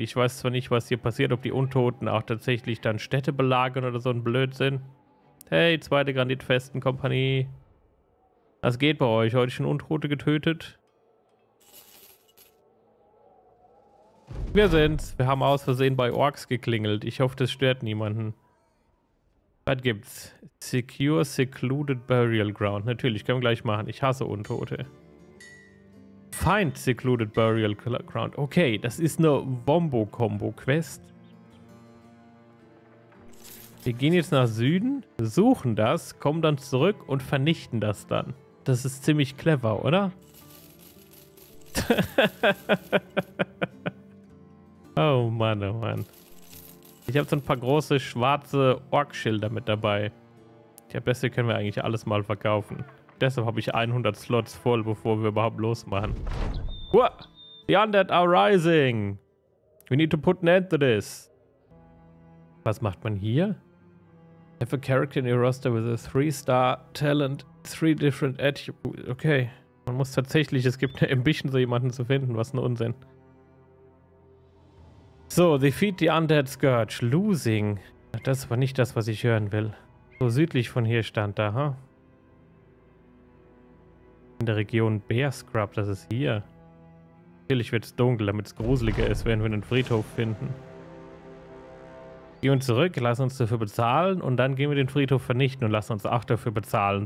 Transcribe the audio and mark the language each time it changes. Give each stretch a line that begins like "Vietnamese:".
German: Ich weiß zwar nicht, was hier passiert, ob die Untoten auch tatsächlich dann Städte belagern oder so ein Blödsinn. Hey, zweite Granitfestenkompanie. Was geht bei euch? Heute schon Untote getötet? Wir sind's. Wir haben aus Versehen bei Orks geklingelt. Ich hoffe, das stört niemanden. Was gibt's?
English: Secure Secluded Burial Ground.
German: Natürlich, können wir gleich machen. Ich hasse Untote.
English: Find Secluded Burial Ground.
German: Okay, das ist eine Wombo-Kombo-Quest. Wir gehen jetzt nach Süden, suchen das, kommen dann zurück und vernichten das dann. Das ist ziemlich clever, oder? Oh Mann, oh Mann. Ich habe so ein paar große schwarze Ork-Schilder mit dabei. Tja, besser können wir eigentlich alles mal verkaufen. Deshalb habe ich 100 Slots voll, bevor wir überhaupt losmachen.
English: What? The Undead are rising. We need to put an end to this.
German: Was macht man hier?
English: Have a character in your roster with a 3-star talent, 3 different attributes. Okay.
German: Man muss tatsächlich, es gibt eine Ambition, so jemanden zu finden. Was ein Unsinn.
English: So, defeat the undead scourge. Losing.
German: Ach, das war nicht das, was ich hören will. So südlich von hier stand da, ha? Huh? In der Region Bear Scrub, das ist hier. Natürlich wird es dunkel, damit es gruseliger ist, wenn wir einen Friedhof finden. Gehen wir zurück, lassen uns dafür bezahlen und dann gehen wir den Friedhof vernichten und lassen uns auch dafür bezahlen.